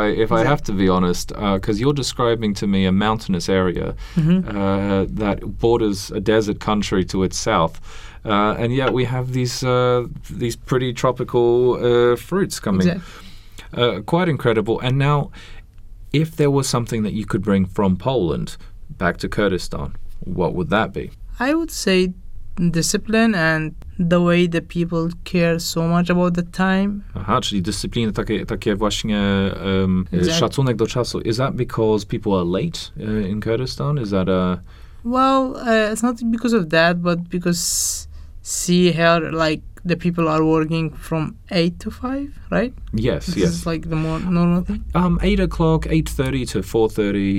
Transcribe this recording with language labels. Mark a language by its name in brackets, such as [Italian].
[English] if I have to be honest, because you're describing to me a mountainous area that borders a desert country to its south, and yet we have these pretty tropical fruits coming. Exactly. Quite incredible. And now, if there was something that you could bring from Poland back to Kurdistan, what would that be? I would say discipline and the way that people care so much about the time. [Polish] Aha, czyli dyscyplina, takie właśnie szacunek do czasu. [English] Is that because people are late in Kurdistan? Is that a... Well, it's not because of that, but because see here, like, the people are working from 8 to 5, right? Yes, this is like the more normal thing. 8 o'clock, 8:30 to 4:30.